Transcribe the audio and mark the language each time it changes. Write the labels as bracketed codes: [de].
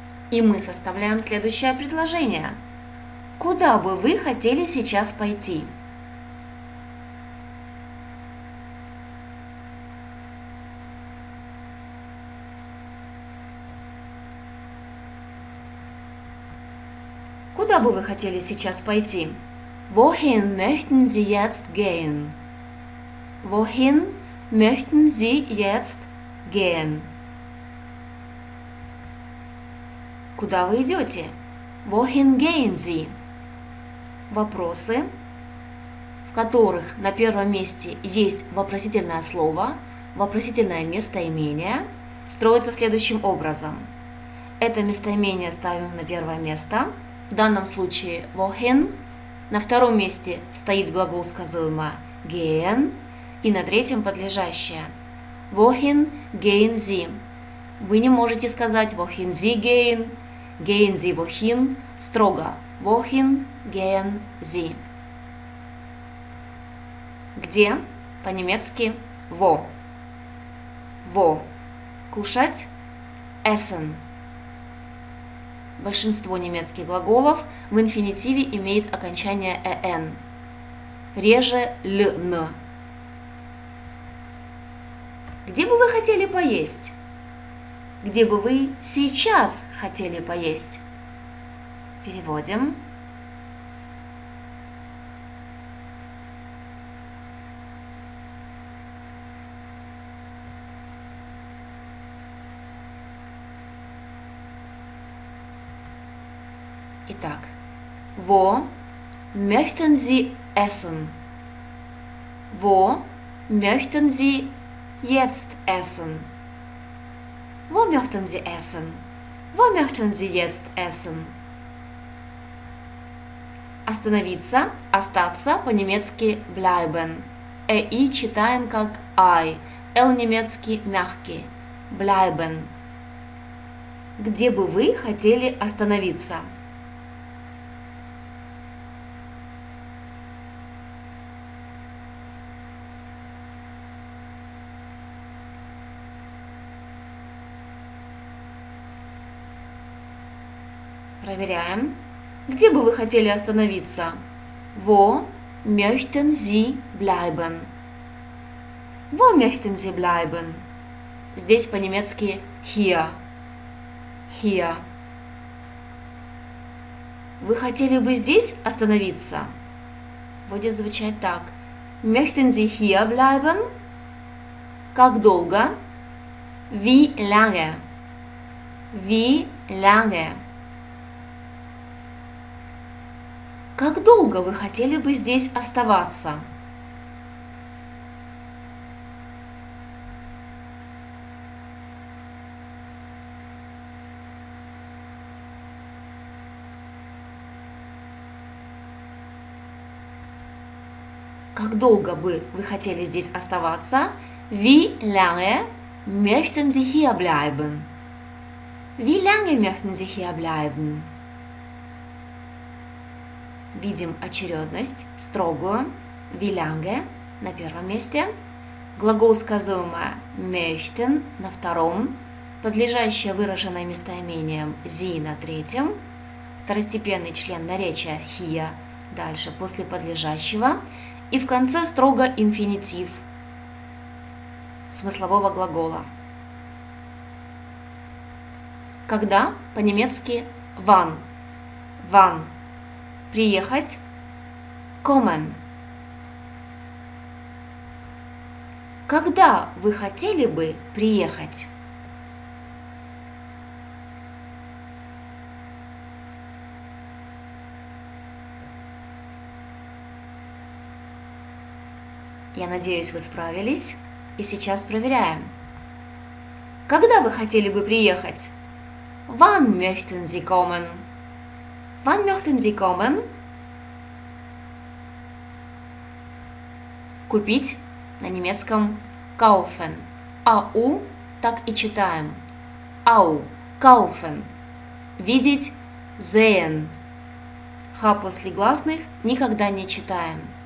[ru] И мы составляем следующее предложение. Куда бы вы хотели сейчас пойти? Куда бы вы хотели сейчас пойти? [de] Wohin möchten Sie jetzt gehen? Wohin möchten Sie jetzt gehen? [ru] Куда вы идете? [de] Wohin gehen Sie? [ru] Вопросы, в которых на первом месте есть вопросительное слово, вопросительное местоимение, строятся следующим образом. Это местоимение ставим на первое место. В данном случае wohin, на втором месте стоит глагол сказуемое gehen и на третьем подлежащее [de] wohin gehen Sie. [ru] Вы не можете сказать [de] wohin Sie gehen, gehen Sie wohin, [ru] строго [de] wohin gehen Sie. [ru] Где? По-немецки wo. [de] Wo. Кушать? Essen. [ru] Большинство немецких глаголов в инфинитиве имеет окончание «-en», реже «-ln». Где бы вы хотели поесть? Где бы вы сейчас хотели поесть? Переводим. [de] Итак, wo möchten Sie essen? Wo möchten Sie jetzt essen? Wo möchten Sie essen? Wo möchten Sie jetzt essen? [ru] Остановиться, остаться, по-немецки bleiben. Эй читаем как I. Л немецкий мягкий. Bleiben. Где бы вы хотели остановиться? Проверяем. Где бы вы хотели остановиться? [de] Wo möchten Sie bleiben? Wo möchten Sie bleiben? [ru] Здесь по-немецки hier. [de] Hier. [ru] Вы хотели бы здесь остановиться? будет звучать так. [de] Möchten Sie hier bleiben? [ru] Как долго? [de] Wie lange? Wie lange? [ru] Как долго вы хотели бы здесь оставаться? Как долго бы вы хотели здесь оставаться? [de] Wie lange möchten Sie hier bleiben? Wie lange möchten Sie hier bleiben? [ru] Видим очередность, строгую. [de] Wie lange [ru] на первом месте. Глагол сказуемое möchten на втором. Подлежащее выраженное местоимением Sie на третьем. Второстепенный член наречия hier дальше после подлежащего. И в конце строго инфинитив смыслового глагола. Когда по-немецки wann. [de] Wann. Приехать. Kommen. [ru] Когда вы хотели бы приехать? Я надеюсь, вы справились. И сейчас проверяем. Когда вы хотели бы приехать? [de] Wann möchten Sie kommen? Wann möchten Sie kommen? [ru] Купить на немецком kaufen. Au так и читаем. [de] Au kaufen. [ru] Видеть sehen. Ха после гласных никогда не читаем.